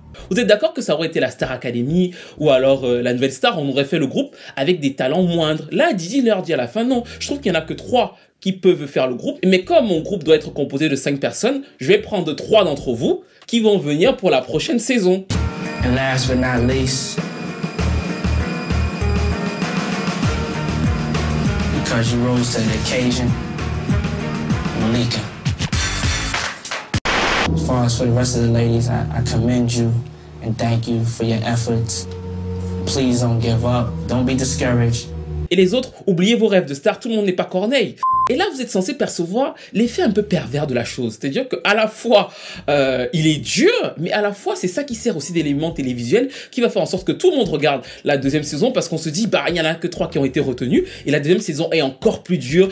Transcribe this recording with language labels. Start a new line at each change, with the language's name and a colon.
French: Vous êtes d'accord que ça aurait été la Star Academy ou alors la Nouvelle Star, on aurait fait le groupe avec des talents moindres. Là, Didi leur dit à la fin, non, je trouve qu'il n'y en a que 3 qui peuvent faire le groupe. Mais comme mon groupe doit être composé de 5 personnes, je vais prendre 3 d'entre vous qui vont venir pour la prochaine saison.
English: And last but not least, because you rose to the occasion, Malika. far as for the rest of the ladies, I commend you and thank you for your efforts. Please don't give up. Don't be discouraged.
French: Et les autres, oubliez vos rêves de star, tout le monde n'est pas Corneille. Et là, vous êtes censé percevoir l'effet un peu pervers de la chose. C'est-à-dire qu'à la fois, il est dur, mais à la fois, c'est ça qui sert aussi d'élément télévisuel, qui va faire en sorte que tout le monde regarde la deuxième saison, parce qu'on se dit, bah, il n'y en a que trois qui ont été retenus, et la deuxième saison est encore plus dure.